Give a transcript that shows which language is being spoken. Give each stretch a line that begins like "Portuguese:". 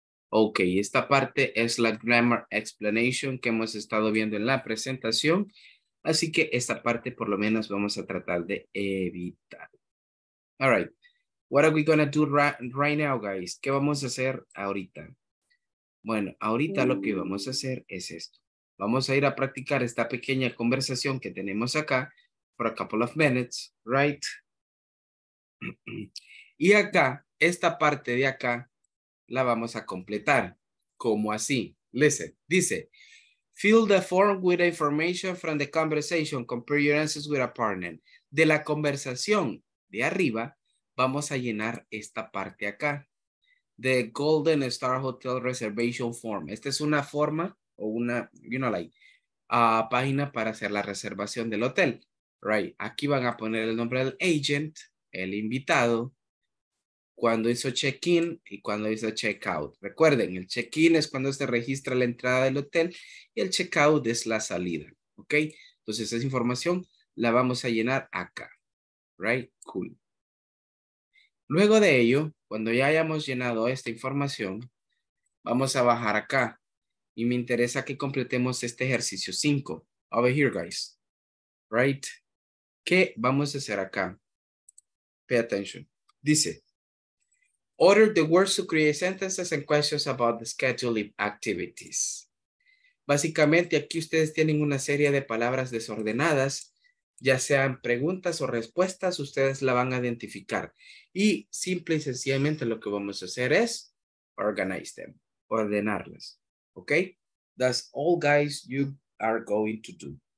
Spanish: Okay, esta parte es la
English: grammar explanation
Spanish: que hemos estado viendo en la presentación. Así que esta parte por lo menos vamos a tratar de evitar.
English: All right. What are we going to do right now, guys?
Spanish: ¿Qué vamos a hacer ahorita? Bueno, ahorita lo que vamos a hacer es esto. Vamos a ir a practicar esta pequeña conversación que tenemos acá
English: for a couple of minutes, right?
Spanish: Y acá, esta parte de acá la vamos a completar. ¿Cómo así?
English: Listen,
Spanish: dice...
English: Fill the form with information from the conversation. Compare your answers with a partner.
Spanish: De la conversación de arriba, vamos a llenar esta parte acá. The Golden Star Hotel Reservation Form. Esta es una forma o una,
English: you know, like,
Spanish: página para hacer la reservación del hotel.
English: Right.
Spanish: Aquí van a poner el nombre del agent, el invitado, cuando hizo check-in y cuando hizo check-out. Recuerden, el check-in es cuando se registra la entrada del hotel y el check-out es la salida, ¿ok? Entonces, esa información la vamos a llenar acá,
English: right? Cool.
Spanish: Luego de ello, cuando ya hayamos llenado esta información, vamos a bajar acá y me interesa que completemos este ejercicio 5.
English: Over here, guys, right?
Spanish: ¿Qué vamos a hacer acá?
English: Pay attention.
Spanish: Dice,
English: order the words to create sentences and questions about the scheduling activities.
Spanish: Básicamente, aquí ustedes tienen una serie de palabras desordenadas, ya sean preguntas o respuestas, ustedes la van a identificar. Y simple y sencillamente lo que vamos a hacer es
English: organize them,
Spanish: ordenarlas.
English: Okay? That's all, guys, you are going to do.